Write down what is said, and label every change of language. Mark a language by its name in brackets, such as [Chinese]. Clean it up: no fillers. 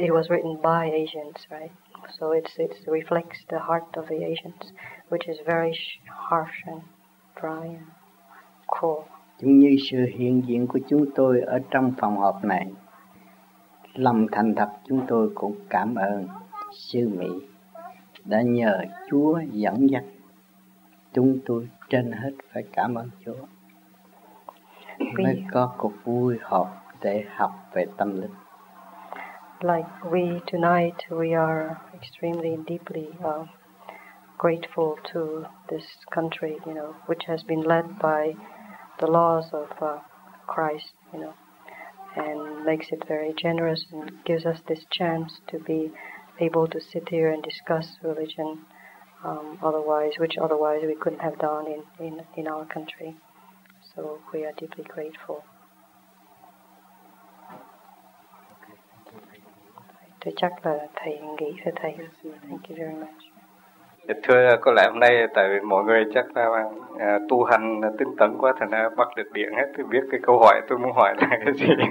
[English] it was written by Asians, right? So it reflects the heart of the Asians, which is very harsh and dry and cruel. [Vietnamese] Cũng như sự hiện diện của chúng tôi ở trong phòng họp này, lòng thành thật chúng tôi cũng cảm ơn sư Mỹ đã nhờ Chúa dẫn dắt chúng tôi, trên hết phải cảm ơn Chúa mới có cuộc vui họp để học về tâm linh. [English] Like we tonight, we are extremely deeply grateful to this country, you know, which has been led by the laws of Christ, you know, and makes it very generous and gives us this chance to be able to sit here and discuss religion, which otherwise we couldn't have done in our country. So we are deeply grateful. [Vietnamese] Tôi chắc là thầy nghĩ thế thầy. [English] Thank you very much. [Vietnamese] Thưa, có lẽ hôm nay tại vì mọi người chắc là tu hành tinh tấn quá, thành ra bắt được điện hết, tôi biết cái câu hỏi tôi muốn hỏi là cái gì.